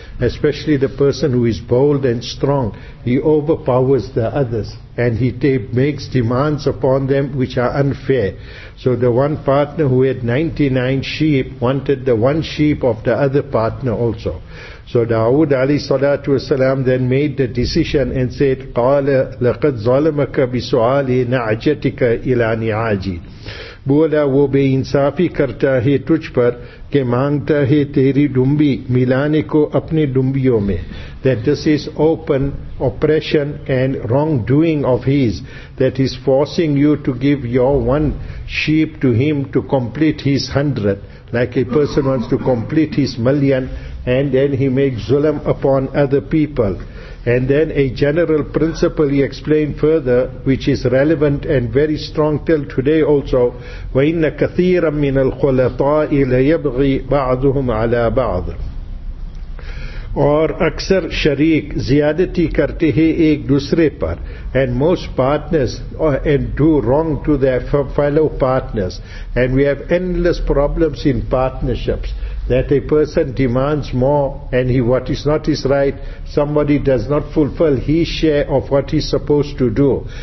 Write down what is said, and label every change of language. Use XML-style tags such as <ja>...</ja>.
<en>Especially the person who is bold and strong, he overpowers the others and he makes demands upon them which are unfair. So the one partner who had 99 sheep wanted the one sheep of the other partner also. So Dawud alayhi salatu wasalam then made the decision and said,</en> <ar>قَالَ لَقَدْ ظَلَمَكَ بِسُعَالِ نَعْجَتِكَ إِلَىٰ نِعَاجِ.</ar> <ur>بولا وہ بے انصافی کرتا ہے تجھ پر کہ مانگتا ہے تیری ڈمبی ملانے کو اپنے ڈمبیوں میں.</ur> <en>That this is open oppression and wrongdoing of his, that he's forcing you to give your one sheep to him to complete his 100, like a person wants to complete his million, and then he makes zulm upon other people. And then a general principle he explained further, which is relevant and very strong till today also,</en> <ar>وَإِنَّ كَثِيرًا مِّنَ الْخُلَطَاءِ لَيَبْغِي بَعْضُهُمْ عَلَىٰ بَعْضٍ.</ar> <ur>اور اکثر شریک زیادتی کرتے ہیں ایک دوسرے پر.</ur> <en>And most partners and do wrong to their fellow partners. And we have endless problems in partnerships, that a person demands more and he what is not his right, somebody does not fulfill his share of what he's supposed to do.</en>